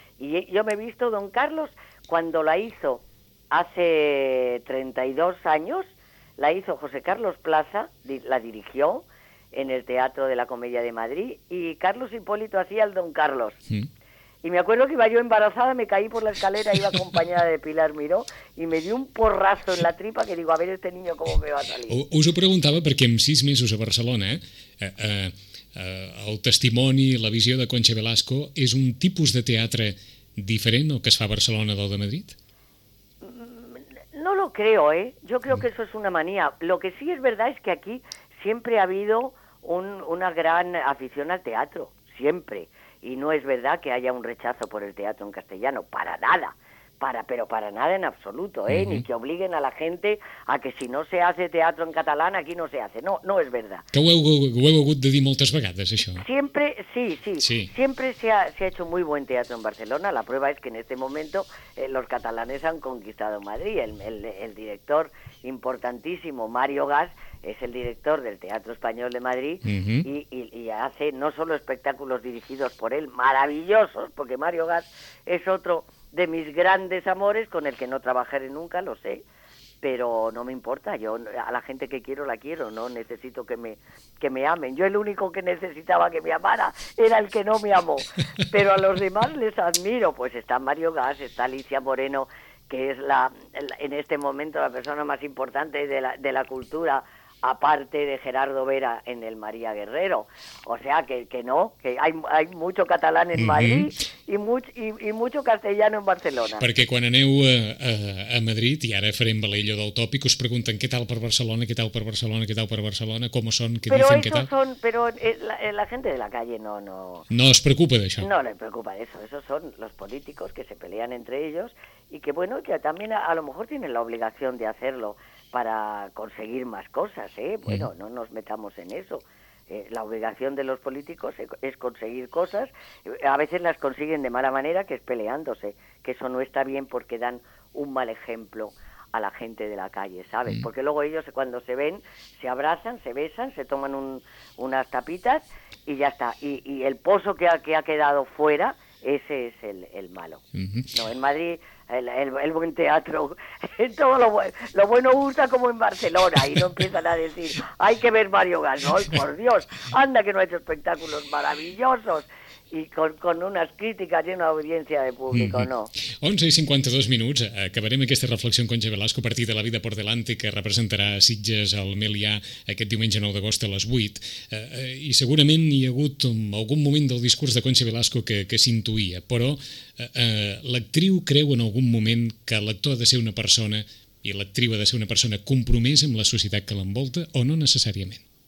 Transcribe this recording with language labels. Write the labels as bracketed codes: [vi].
[es] Y yo me he visto Don Carlos cuando la hizo hace 32 años, la hizo José Carlos Plaza, la dirigió, en el Teatro de la Comedia de Madrid, y Carlos Hipólito hacía el Don Carlos. ¿Sí? Y me acuerdo que iba yo embarazada, me caí por la escalera, iba acompañada de Pilar Miró, y me dio un porrazo en la tripa que digo, a ver este niño cómo me va a salir. [ca] Us ho preguntava perquè en 6 mesos a Barcelona, el testimoni, la visió de Concha Velasco, és un tipus de teatre diferent al que es fa a Barcelona del de Madrid? [es] No lo creo, ¿eh? Yo creo que eso es una manía. Lo que sí es verdad es que aquí siempre ha habido una gran afición al teatro, siempre. Y no es verdad que haya un rechazo por el teatro en castellano, para nada. Pero para nada en absoluto, ¿eh? Uh-huh. Ni que obliguen a la gente a que si no se hace teatro en catalán, aquí no se hace. No, no es verdad. [ca] Que ho heu hagut de dir moltes vegades, això. [es] Siempre, sí. Siempre se ha hecho muy buen teatro en Barcelona. La prueba es que en este momento los catalanes han conquistado Madrid. El director importantísimo, Mario Gas, es el director del Teatro Español de Madrid y hace no solo espectáculos dirigidos por él, maravillosos, porque Mario Gas es otro de mis grandes amores con el que no trabajaré nunca, lo sé, pero no me importa, yo a la gente que quiero la quiero, no necesito que me amen. Yo el único que necesitaba que me amara era el que no me amó, pero a los demás les admiro. Pues está Mario Gas, está Alicia Moreno, que es en este momento la persona más importante de la cultura, aparte de Gerardo Vera en el María Guerrero. O sea que hay mucho catalán en Madrid y mucho castellano en Barcelona. [ca] Perquè quan aneu a Madrid, i ara farem valella del tòpic, us pregunten què tal per Barcelona, què tal per Barcelona, què tal per Barcelona, com són, què dicen, què tal... [es] Però la gente de la calle no... [ca] No es preocupa d'això? [es] No le preocupa eso. Esos son los políticos que se pelean entre ellos y que, bueno, que también a lo mejor tienen la obligación de hacerlo para conseguir más cosas, ¿eh? Bueno, no nos metamos en eso. La obligación de los políticos es conseguir cosas. A veces las consiguen de mala manera, que es peleándose. Que eso no está bien porque dan un mal ejemplo a la gente de la calle, ¿sabes? Mm. Porque luego ellos cuando se ven, se abrazan, se besan, se toman unas tapitas y ya está. Y el pozo que ha quedado fuera, ese es el malo. Mm-hmm. No, en Madrid... El buen teatro, todo lo bueno gusta como en Barcelona, y no empiezan a decir, hay que ver Mario Gasol, ¿no? Por Dios, anda que no ha hecho espectáculos maravillosos, y con unas críticas y una audiencia de público, ¿no? [ca] 11:52, acabarem aquesta reflexió amb Concha Velasco a partir de La vida por delante, que representarà Sitges al Melià aquest diumenge 9 d'agost a les 8, i segurament hi ha hagut algun moment del discurs de Concha Velasco que s'intuïa, però l'actriu creu en algun moment que l'actor ha de ser una persona i l'actriu ha de ser una persona compromesa amb la societat que l'envolta, o no necessàriament?